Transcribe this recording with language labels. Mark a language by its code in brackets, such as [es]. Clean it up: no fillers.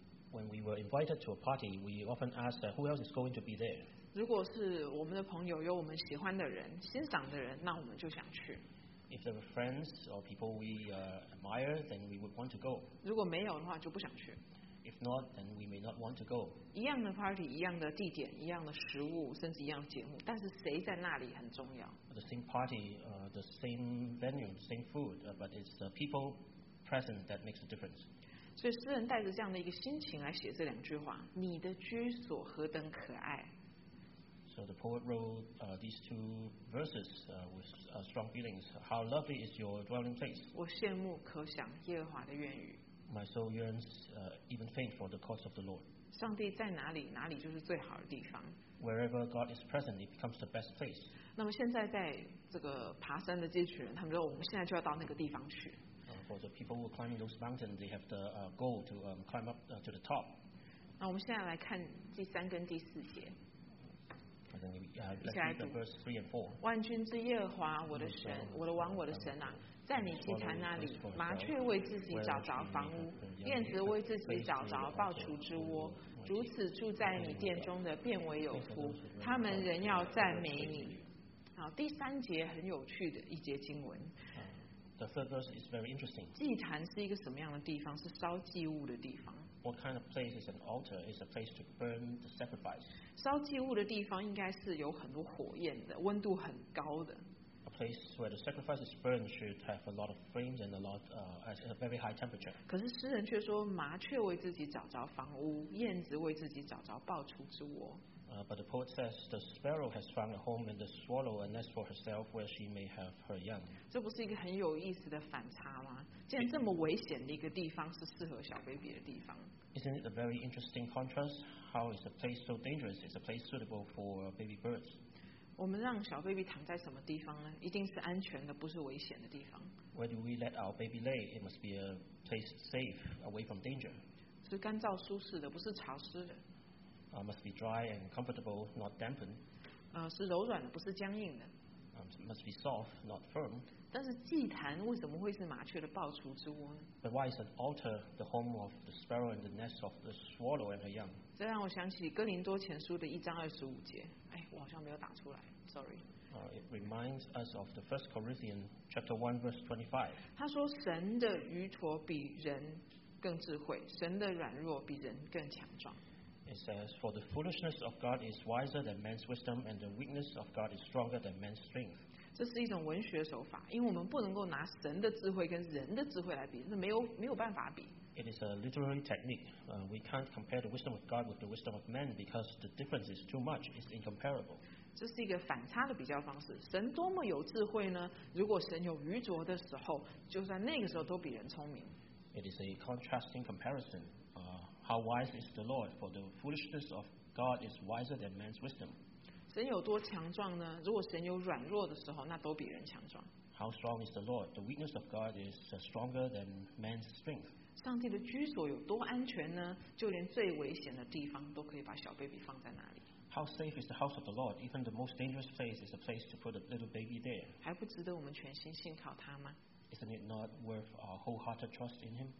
[en] When we were invited to a party, we often ask that who else is going to be there. [zh] 如果是我们的朋友有我们喜欢的人欣赏的人那我们就想去 [en] If there were friends or people we admire then we would want to go [zh] 如果没有的话就不想去 [en] If not then we may not want to go [zh] 一样的 party 一样的地点一样的食物甚至一样的节目但是谁在那里很重要 [en] The same party the same venue same food but it's the people present that makes a difference [zh] 所以诗人带着这样的一个心情来写这两句话你的居所何等可爱 [en] So the poet wrote these two verses with strong feelings. How lovely is your dwelling place? [zh] 我羡慕可想耶和华的愿语。 [en] My soul yearns even faint for the courts of the Lord. [zh] 上帝在哪里，哪里就是最好的地方。 [en] Wherever God is present, it becomes the best place. [zh] 那么现在在这个爬山的这群人，他们说我们现在就要到那个地方去。 [en] For the people who are climbing those mountains, they have the goal to climb up to the top. [zh] 那我们现在来看第三跟第四节。 [en] Let's read [zh] 万军之耶和华，我的神，我的王，我的神啊，在你祭坛那里，麻雀为自己找着房屋，燕子为自己找着暴雏之窝。如此住在你殿中的，变为有福。他们仍要赞美你。好，第三节很有趣的一节经文。 [en] The third verse is very interesting. [zh] 祭坛是一个什么样的地方？是烧祭物的地方。 [en] What kind of place is an altar? It's a place to burn the sacrifice. [zh] 烧祭物的地方应该是有很多火焰的，温度很高的。 [en] A place where the sacrifice is burned should have a lot of flames and a lot at a very high temperature. [zh] 可是诗人却说，麻雀为自己找着房屋，燕子为自己找着暴雏之窝。 [en] But the poet says, the sparrow has found a home and the swallow a nest for herself where she may have her young. [zh] 这不是一个很有意思的反差吗？既然这么危险的一个地方是适合小 baby 的地方。 [en] Isn't it a very interesting contrast? How is a place so dangerous? Is a place suitable for baby birds? [zh] 我们让小 baby 躺在什么地方呢？一定是安全的，不是危险的地方。 [en] Where do we let our baby lay? It must be a place safe, away from danger. [zh] 是干燥舒适的，不是潮湿的。 [en] Must be dry and comfortable, not dampened. [zh] 是柔软的，不是僵硬的。 [en] Must be soft, not firm. [zh] 但是祭坛为什么会是麻雀的报雏之窝呢？ [en] But why is an altar the home of the sparrow and the nest of the swallow and her young? [zh] 这让我想起哥林多前书的一章二十五节。哎，我好像没有打出来 ，sorry. [en] It reminds us of the First Corinthians chapter 1 verse 25. [zh] 他说神的愚拙比人更智慧，神的软弱比人更强壮。 [en] It says, for the foolishness of God is wiser than man's wisdom, and the weakness of God is stronger than man's strength. [zh] 这是一种文学手法，因为我们不能够拿神的智慧跟人的智慧来比，那没有办法比。 [en] It is a literary technique. We can't compare the wisdom of God with the wisdom of man because the difference is too much. It's incomparable. [zh] 这是一个反差的比较方式。神多么有智慧呢？如果神有愚拙的时候，就算那个时候都比人聪明。 [en] It is a contrasting comparison. How wise is the Lord? For the foolishness of God is wiser than man's wisdom. [zh] 神有多强壮呢？如果神有软弱的时候，那都比人强壮。 [en] How strong is the Lord? The weakness of God is stronger than man's strength. [zh] 上帝的居所有多安全呢？就连最危险的地方都可以把小 baby 放在那里。 [en] How safe is the house of the Lord? Even the most dangerous place is a place to put a little baby there. [zh] 还不值得我们全心信靠他吗？ [en] Isn't it not worth our wholehearted trust in him?